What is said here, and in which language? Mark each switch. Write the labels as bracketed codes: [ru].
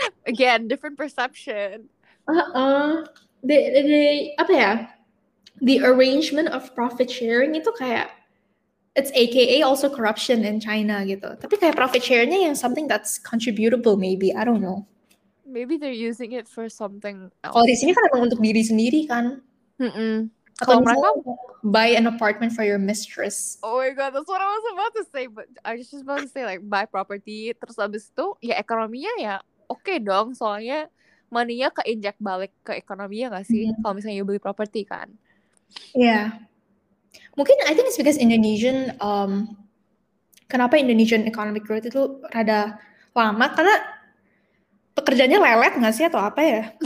[en] Again, different perception. The arrangement of profit sharing [id] itu kayak, [en] it's aka also corruption in China gitu. [id] Tapi kayak [en] profit sharingnya yang something that's contributable maybe, I don't know. Maybe they're using it for something else. [id] Kalau di sini kan emang untuk diri sendiri kan. Kalau mereka [en] buy an apartment for your mistress. Oh my god, that's what I was about to say. But I was just about to say like buy property. [id] Terus abis itu ya ekonominya ya oke dong. Soalnya money-nya keinjek balik ke ekonomi ya gak sih? Mm-hmm. Kalau misalnya [en] you [id] beli properti kan. [en] Yeah. Mungkin I think it's because Indonesian, kenapa Indonesian economic growth [id] itu rada lama? Karena pekerjaannya lelet gak sih atau apa ya?